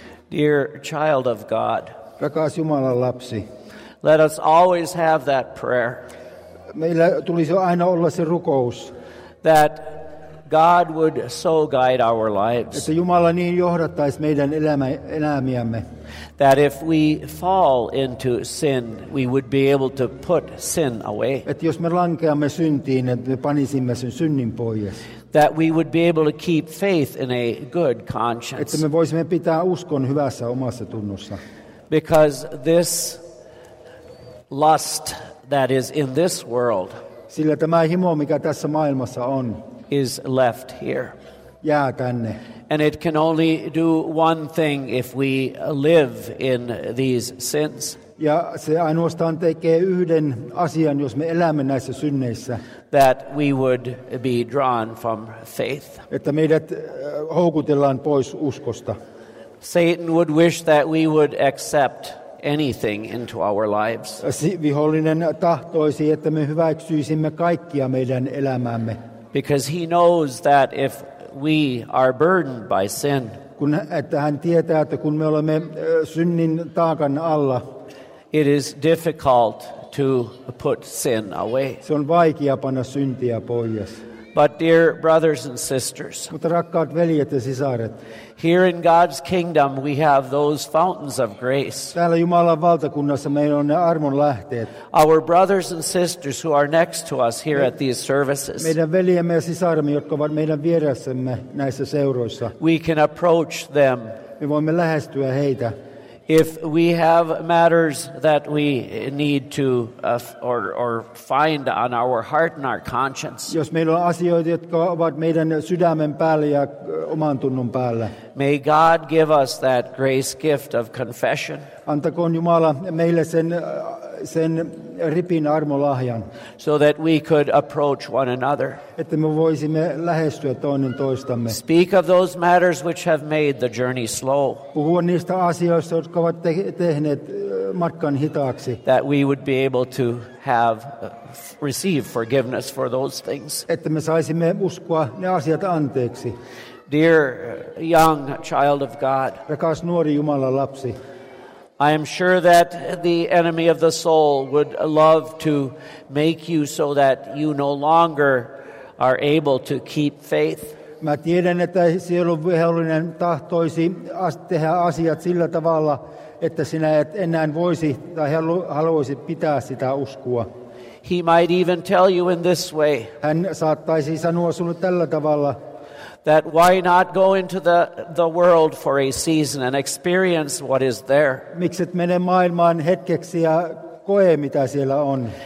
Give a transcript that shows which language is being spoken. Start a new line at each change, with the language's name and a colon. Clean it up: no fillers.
English: Dear child of God,
Finnish: rakas Jumalan lapsi,
English: let us always have that prayer.
Finnish: Meillä tulisi aina olla se rukous,
English: that God would so guide our lives.
Finnish: Että Jumala niin johdattaisi meidän elämiämme.
English: That if we fall into sin, we would be able to put sin away.
Finnish: Että jos me lankeamme syntiin, että me panisimme sen synnin pois.
English: That we would be able to keep faith in a good conscience.
Finnish: Että me voisimme pitää uskon hyvässä omassa tunnossa.
English: Because this lust that is in this world.
Finnish: Sillä tämä himo, mikä tässä maailmassa on.
English: Is left here.
Finnish: Jää tänne.
English: And it can only do one thing if we live in these sins.
Finnish: Ja se ainoastaan tekee yhden asian, jos me elämme näissä synneissä.
English: That we would be drawn from faith.
Finnish: Että meidät houkutellaan pois uskosta.
English: Satan would wish that we would accept anything into our lives.
Finnish: Vihollinen tahtoisi, että me hyväksyisimme kaikkia meidän elämäämme.
English: Because he knows that if we are burdened by sin,
Finnish: kun että hän tietää, että kun me olemme synnin taakan alla,
English: it is difficult to put sin away.
Finnish: Se on vaikea panna syntiä pois.
English: But dear brothers and sisters,
Finnish: mutta rakkaat veljet ja sisaret,
English: here in God's kingdom we have those fountains of grace.
Finnish: Täällä Jumalan valtakunnassa meillä on ne armon lähteet.
English: Our brothers and sisters who are next to us here at these services.
Finnish: Meidän veljemme ja sisaremme, jotka ovat meidän vieressämme näissä seuroissa.
English: We can approach them.
Finnish: Me voimme lähestyä heitä.
English: If we have matters that we need to or find on our heart and our conscience.
Finnish: Jos meillä on asioita, jotka ovat meidän sydämen päällä ja oman tunnon päällä.
English: May God give us that grace gift of confession.
Finnish: Antakoon Jumala meille sen ripin armolahjan.
English: So that we could approach one another.
Finnish: Että me voisimme lähestyä toinen toistamme.
English: Speak of those matters which have made the journey slow.
Finnish: Puhua niistä asioista, jotka ovat tehneet matkan hitaksi.
English: That we would be able to have receive forgiveness for those things.
Finnish: Että me saisimme uskoa ne asiat anteeksi.
English: Dear young child of God.
Finnish: Rakas nuori Jumalan lapsi.
English: I am sure that the enemy of the soul would love to make you so that you no longer are able to keep faith.
Finnish: Mä tiedän, että sielun vihollinen tahtoisi tehdä asiat sillä tavalla, että sinä et enää voisi tai haluaisi pitää sitä uskoa.
English: He might even tell you in this way.
Finnish: Hän saattaisi sanoa sinulle tällä tavalla.
English: That why not go into the world for a season and experience what is there?
Finnish: Mikset mene maailmaan hetkeksi ja koe mitä siellä on.